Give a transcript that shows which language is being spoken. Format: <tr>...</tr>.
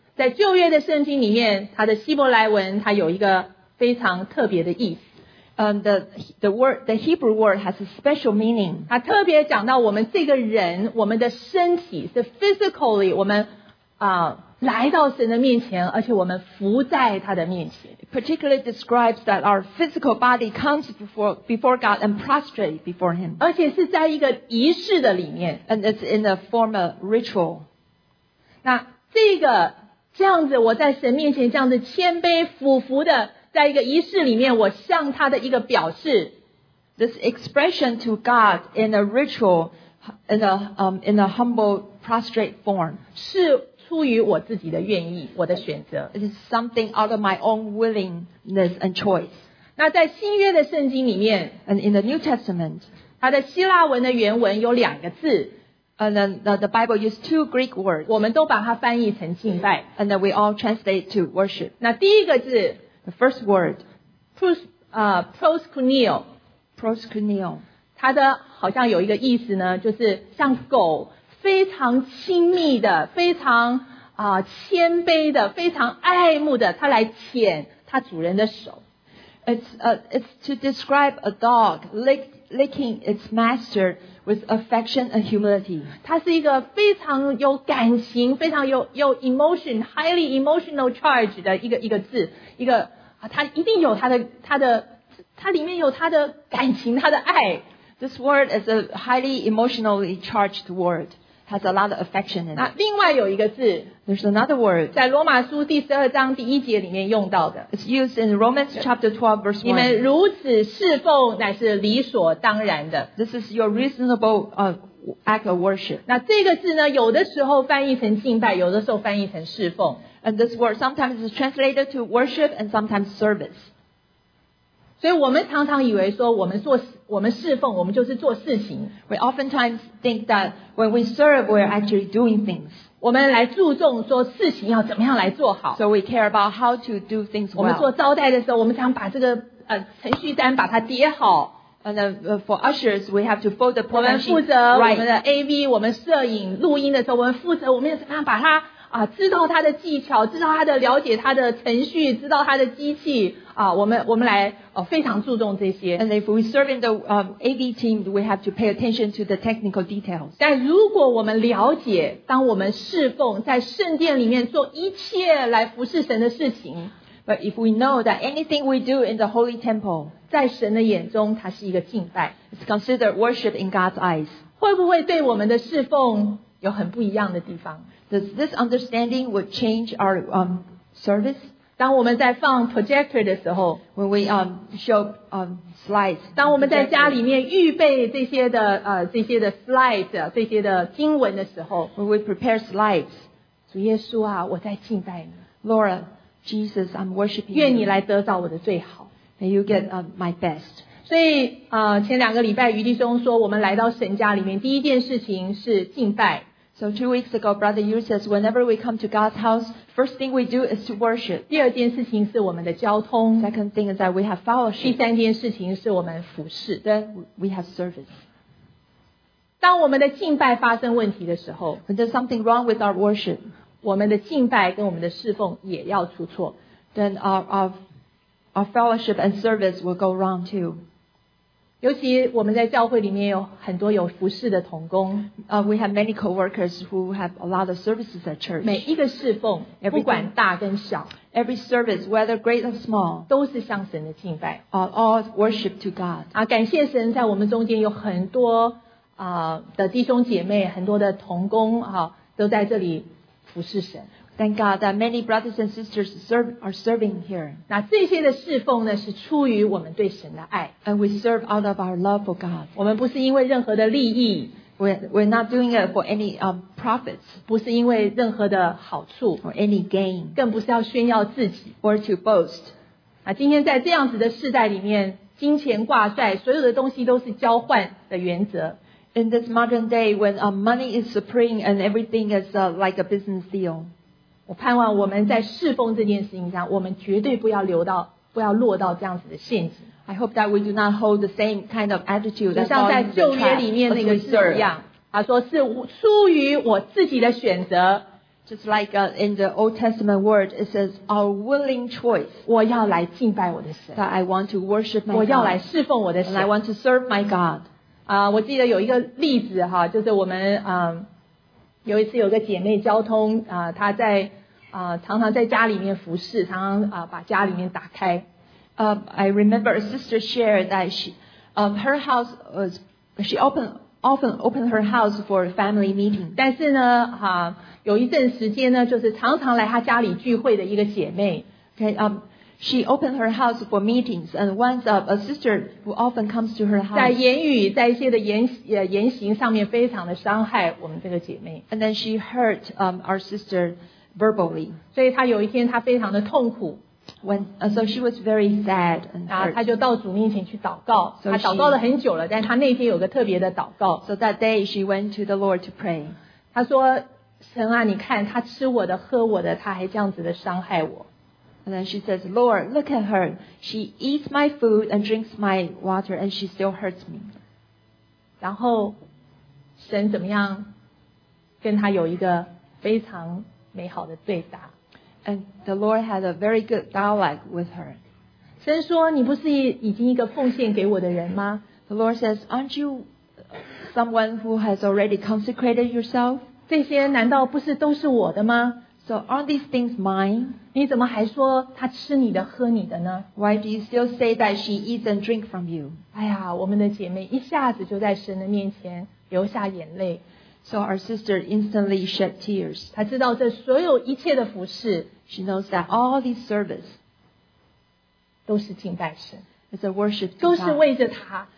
<zh>在旧约的圣经里面， 它的希伯来文， 它有一个非常特别的意思。</zh> <en>The Hebrew word has a special meaning.</en> <zh>它特别讲到我们这个人，我们的身体是 physically 我们来到神的面前，而且我们伏在他的面前。</zh> <en>Particularly describes that our physical body comes before God and prostrate before Him.</en> <zh>而且是在一个仪式的里面。</zh> <en>And it's in a form of ritual.</en> <zh>那这个这样子，我在神面前这样子谦卑俯伏的，在一个仪式里面，我向他的一个表示。</zh> <en>This expression to God in a ritual, in a humble prostrate form,</en> <zh>是出于我自己的愿意，我的选择。</zh> <en>It is something out of my own willingness and choice.</en> <zh>那在新约的圣经里面</zh> <en>，and in the New Testament,</en> <zh>它的希腊文的原文有两个字。</zh> <en>And then the Bible used two Greek words.</en> <zh>我们都把它翻译成敬拜。</zh> <en>And then we all translate to worship.</en> <zh>那第一个字</zh> <en>，the first word,</en> <el>proskuneo.</el> <zh>它的好像有一个意思呢，就是像狗，非常亲密的，非常谦卑的，非常爱慕的，它来舔它主人的手。</zh> <en>It's to describe a dog licking its master with affection and humility.</en> <zh>它是一个非常有感情，非常有</zh> <en>emotion, highly emotional charge</en> <zh>的一个字，一个它一定有它的它里面有它的感情，它的爱。</zh> <en>This word is a highly emotionally charged word, has a lot of affection in it.</en> <zh>那另外有一个字</zh> <en>，There's another word,</en> <zh>在罗马书第十二章第一节里面用到的。</zh> <en>It's used in Romans chapter 12 verse 1.</en> <zh>你们如此侍奉乃是理所当然的。</zh> <en>This is your reasonable act of worship.</en> <zh>那这个字呢，有的时候翻译成敬拜，有的时候翻译成侍奉。</zh> <en>And this word sometimes is translated to worship and sometimes service.</en> <zh>所以我们常常以为说我们侍奉，我们就是做事情。</zh> <en>We oftentimes think that when we serve, we're actually doing things.</en> <zh>我们来注重说事情要怎么样来做好。</zh> <en>So we care about how to do things well.</en> <zh>我们做招待的时候，我们常把这个程序单把它叠好。</zh> <en>And then for ushers, we have to fold the program sheet.</en> <zh>我们负责我们的 AV, 我们摄影录音的时候，我们负责我们要怎么样把它知道它的技巧，知道它的了解它的程序，知道它的机器我们来非常注重这些。</zh> <en>And if we serve in the AV team, we have to pay attention to the technical details.</en> <zh>但如果我们了解，当我们侍奉在圣殿里面做一切来服侍神的事情</zh> <en>，But if we know that anything we do in the holy temple,</en> <zh>在神的眼中它是一个敬拜</zh> <en>，It's considered worship in God's eyes.</en> <zh>会不会对我们的侍奉有很不一样的地方？</zh> <en>Does this understanding would change our service?</en> <zh>当我们在放 projector 的时候</zh> <en>，when we show slides，</en> <zh>当我们在家里面预备这些的这些的 slides， 这些的经文的时候</zh> <en>，when we prepare slides，</en> <zh>主耶稣啊，我在敬拜你</zh> <en>，Lord Jesus， I'm worshiping you。</en> <zh>愿你来得到我的最好</zh> <en>，May you get my best。</en> <zh>所以前两个礼拜余弟兄说，我们来到神家里面，第一件事情是敬拜。</zh> <en>So 2 weeks ago, Brother Yu says, whenever we come to God's house, first thing we do is to worship.</en> <zh>第二件事情是我们的交通。</zh> <en>Second thing is that we have fellowship.</en> <zh>第三件事情是我们服侍。</zh> <en>Then we have service.</en> <zh>当我们的敬拜发生问题的时候</zh> <en>，When there's something wrong with our worship,</en> <zh>我们的敬拜跟我们的侍奉也要出错。</zh> <en>Then our fellowship and service will go wrong too.</en> <zh>尤其我们在教会里面有很多有服侍的同工。</zh> <en>We have many co-workers who have a lot of services at church.</en> <zh>每一个侍奉，不管大跟小</zh> <en>，every service, whether great or small,</en> <zh>都是向神的敬拜。</zh> <en>All worship to God.</en> <zh>感谢神，在我们中间有很多的弟兄姐妹，很多的同工都在这里服侍神。</zh> <en>Thank God that many brothers and sisters are serving here.</en> <zh>那这些的侍奉呢，是出于我们对神的爱。</zh> <en>And we serve out of our love for God.</en> <zh>我们不是因为任何的利益。</zh> <en>We're not doing it for any profits.</en> <zh>不是因为任何的好处。</zh> <en>Or any gain.</en> <zh>更不是要炫耀自己。</zh> <en>Or to boast.</en> <zh>那今天在这样子的世代里面，金钱挂帅，所有的东西都是交换的原则。</zh> <en>In this modern day, when money is supreme and everything is like a business deal.</en> <zh>我盼望我们在侍奉这件事情上，我们绝对不要落到这样子的陷阱。</zh> <en>I hope that we do not hold the same kind of attitude.</en> <zh>就像在旧约里面那个字一样，他说是出于我自己的选择。</zh> <en>Just like in the Old Testament word, it says our willing choice.</en> <zh>我要来敬拜我的神。</zh> <en>That I want to worship my God.</en> <zh>我要来侍奉我的神。</zh> <en>And I want to serve my God.</en> <zh>我记得有一个例子就是我们有一次有个姐妹交通她在常常在家里面服侍，常常把家里面打开。</zh> <en>I remember a sister shared that her house was she often opened her house for family meeting.</en> <zh>但是呢，有一阵时间呢，就是常常来她家里聚会的一个姐妹。</zh> <en>Okay, she opened her house for meetings, and once a sister who often comes to her house.</en> <zh>在言语，在一些的言行上面，非常的伤害我们这个姐妹。</zh> <en>And then she hurt our sister verbally.</en> <zh>所以她有一天，她非常的痛苦。</zh> <en>So she was very sad and hurt.</en> <zh>她就到主面前去祷告。 So、她祷告了很久了，但她那天有个特别的祷告。</zh> <en>So that day she went to the Lord to pray.</en> <zh>她说：“神啊，你看她吃我的，喝我的，她还这样子的伤害我。”</zh> <en>And then she says, "Lord, look at her. She eats my food and drinks my water, and she still hurts me."</en> <zh>然后神怎么样跟她有一个非常美好的对答。</zh> <en>And the Lord had a very good dialogue with her.</en> <zh>神说，你不是已经一个奉献给我的人吗？</zh> <en>The Lord says, "Aren't you someone who has already consecrated yourself?"</en> <zh>这些难道不是都是我的吗？</zh> <en>So aren't these things mine?</en> <zh>你怎么还说她吃你的喝你的呢？</zh> <en>Why do you still say that she eats and drinks from you?</en> <zh>哎呀，我们的姐妹一下子就在神的面前流下眼泪。</zh> <en>So our sister instantly shed tears.</en> <zh>她知道这所有一切的服侍，</zh> <en>She knows that all these service</en> <zh>都是敬拜神，</zh> <en>It's a worship to</en> <zh>God. 都是为着她，</zh>